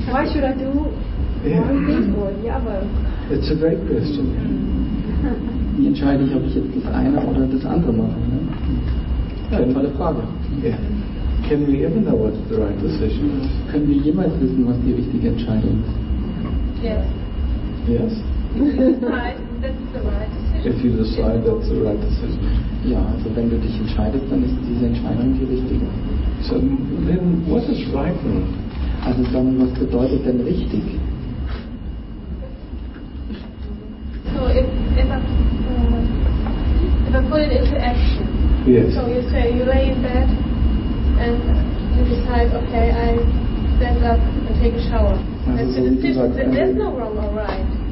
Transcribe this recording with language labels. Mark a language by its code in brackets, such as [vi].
[en] Why should I do one thing or the other? It's a great question. [de] Wie entscheide ich, ob ich jetzt das eine oder das andere mache? Ne? Ja. Sinnvolle Frage. [en] Yeah. Can we ever know what the right decision is? [de] Können wir jemals wissen, was die richtige Entscheidung ist? [en] Yes. Yes. That's the right decision. If you decide, that's the right decision. [de] Ja, also wenn du dich entscheidest, dann ist diese Entscheidung die richtige. [en] So then, what is right then? [de] Also dann, was bedeutet denn richtig? [en] So if I put it into action. Yes. So you say you lay in bed and you decide, okay, I stand up and take a shower. Also that's so the decision. There's no wrong or right.